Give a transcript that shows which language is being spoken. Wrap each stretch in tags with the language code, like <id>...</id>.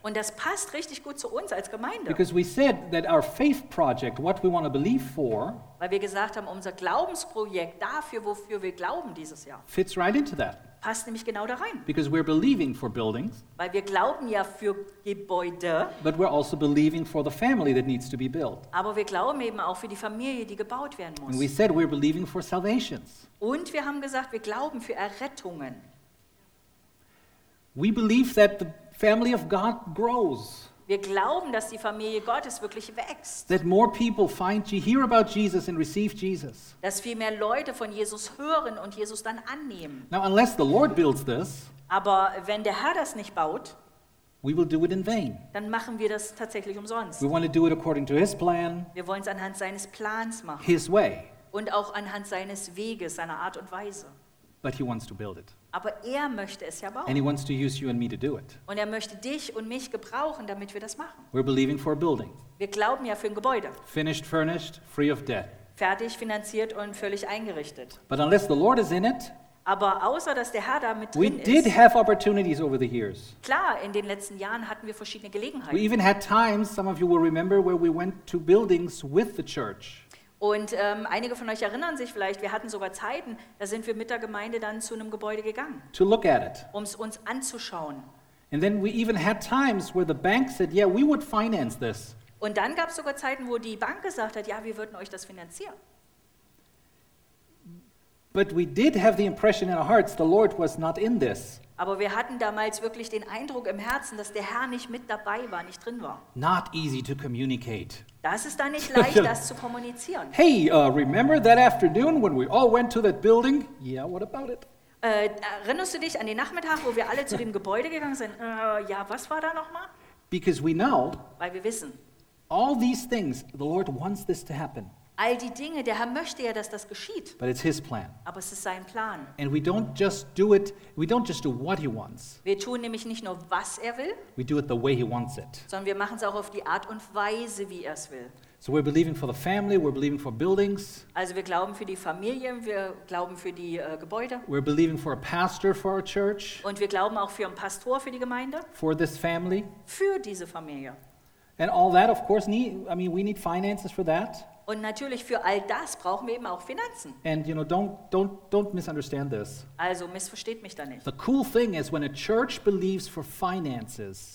<de>Und das passt richtig gut zu uns als Gemeinde.</de> <en>Because we said that our faith project, what we want to believe for,</en> <de>weil wir gesagt haben, unser Glaubensprojekt, dafür, wofür wir glauben dieses Jahr,</de> <en>fits right into that.</en> <de>Passt nämlich genau da rein.</de> <en>Because we're believing for buildings.</en> <de>Weil wir glauben ja für Gebäude.</de> <en>But we're also believing for the family that needs to be built.</en> <de>Aber wir glauben eben auch für die Familie, die gebaut werden muss.</de> <en>And we said we're believing for salvations.</en> <de>Und wir haben gesagt, wir glauben für Errettungen.</de> <en>We believe that the family of God grows.</en> <de>Wir glauben, dass die Familie Gottes wirklich wächst.</de> <en>That more people find you, hear about Jesus and receive Jesus.</en> <de>Dass viel mehr Leute von Jesus hören und Jesus dann annehmen.</de> <en>Now, unless the Lord builds this,</en> <de>aber wenn der Herr das nicht baut,</de> <en>we will do it in vain.</en> <de>Dann machen wir das tatsächlich umsonst.</de> <en>We want to do it according to his plan.</en> <de>Wir wollen es anhand seines Plans machen.</de> <en>His way.</en> <de>Und auch anhand seines Weges, seiner Art und Weise.</de> <en>But he wants to build it.</en> <de>Aber er möchte es ja bauen.</de> <en>And he wants to use you and me to do it.</en> <de>Und er möchte dich und mich gebrauchen, damit wir das machen.</de> <en>We're believing for a building.</en> <de>Wir glauben ja für ein Gebäude.</de> <en>Finished, furnished, free of debt.</en> <de>Fertig, finanziert und völlig eingerichtet.</de> <en>But unless the Lord is in it,</en> <de>aber außer dass der Herr da mit drin</de> <en>we did</en> <de>ist,</de> <en>have opportunities over the years.</en> <de>Klar, in den letzten Jahren hatten wir verschiedene Gelegenheiten.</de> <en>We even had times, some of you will remember, where we went to buildings with the church.</en> <de>Und einige von euch erinnern sich vielleicht, wir hatten sogar Zeiten, da sind wir mit der Gemeinde dann zu einem Gebäude gegangen.</de> <en>To look at it.</en> <de>Um es uns anzuschauen.</de> <en>And then we even had times where the bank said, yeah, we would finance this.</en> <de>Und dann gab es sogar Zeiten, wo die Bank gesagt hat, ja, wir würden euch das finanzieren.</de> <en>But we did have the impression in our hearts the Lord was not in this.</en> <de>Aber wir hatten damals wirklich den Eindruck im Herzen, dass der Herr nicht mit dabei war, nicht drin war.</de> <en>Not easy to communicate.</en> <de>Das ist dann nicht leicht, das zu kommunizieren.</de> <en>Hey, remember that afternoon when we all went to that building? Yeah, what about it?</en> <de>Erinnerst du dich an den Nachmittag, wo wir alle zu dem Gebäude gegangen sind? Ja, was war da nochmal?</de> <en>Because we know.</en> <de>Weil wir wissen.</de> <en>All these things, the Lord wants this to happen.</en> <de>All die Dinge, der Herr möchte ja, dass das geschieht.</de> <en>But it's his plan.</en> <de>Aber es ist sein Plan.</de> <en>And we don't just do it, we don't just do what he wants.</en> <de>Wir tun nämlich nicht nur, was er will.</de> <en>We do it the way he wants it.</en> <de>Sondern wir machen es auch auf die Art und Weise, wie er es will.</de> <en>So we're believing for the family, we're believing for buildings.</en> <de>Also wir glauben für die Familien, wir glauben für die Gebäude.</de> <en>We're believing for a pastor for our church.</en> <de>Und wir glauben auch für einen Pastor für die Gemeinde.</de> <en>For this family.</en> <de>Für diese Familie.</de> <en>And all that, of course, we need finances for that.</en> <de>Und natürlich für all das brauchen wir eben auch Finanzen.</de> <en>And you know, don't misunderstand this.</en> <de>Also missversteht mich da nicht.</de> <en>The cool thing is when a church believes for finances.</en>